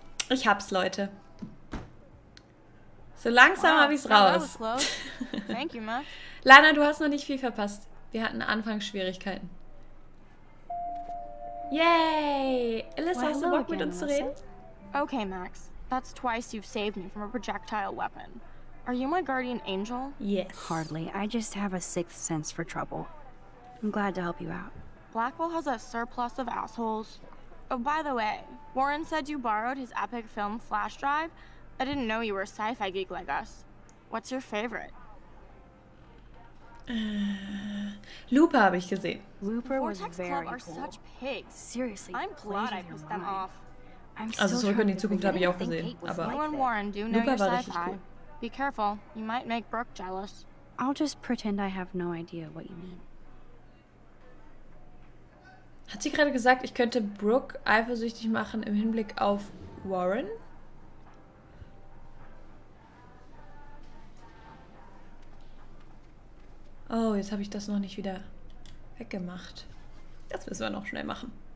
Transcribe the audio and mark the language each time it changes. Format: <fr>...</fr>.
<de>Ich hab's, Leute. So langsam habe ich's raus.</de> <en>Thank you, Max.</en> <de>Lana, du hast noch nicht viel verpasst. Wir hatten Anfangsschwierigkeiten. Yay! Alyssa, hast du Bock, mit uns zu reden?</de> <en>Okay, Max. That's twice you've saved me from a projectile weapon. Are you my guardian angel? Yes. Hardly. I just have a sixth sense for trouble. I'm glad to help you out. Blackwell has a surplus of assholes. Oh, by the way, Warren said you borrowed his epic film flash drive. I didn't know you were a sci-fi geek like us. What's your favorite?</en> <de>Looper habe ich gesehen.</de> <en>Looper was very cool. Vortex Club are such pigs. Seriously, I'm glad I pissed them off.</en> <de>Also Zurück in die Zukunft habe ich auch gesehen, aber</de> <en>like Looper</en> <de>war richtig</de> <en>cool. Be careful, you might make Brooke jealous. I'll just pretend I have no idea what you mean.</en> <de>Hat sie gerade gesagt, ich könnte Brooke eifersüchtig machen im Hinblick auf Warren? Oh, jetzt habe ich das noch nicht wieder weggemacht. Das müssen wir noch schnell machen.</de>